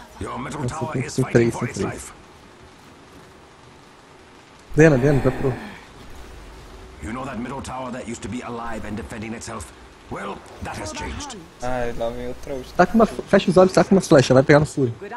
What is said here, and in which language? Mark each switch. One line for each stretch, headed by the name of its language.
Portuguese: Nossa, tem que ser três, tem três. Dena, tá pro.
English: You know that middle tower that used to be alive and defending itself? Well, that has changed.
Portuguese: Ah, lá vem o trouxa. Tá com uma... fecha os olhos, tá com uma flecha, vai pegar no furo.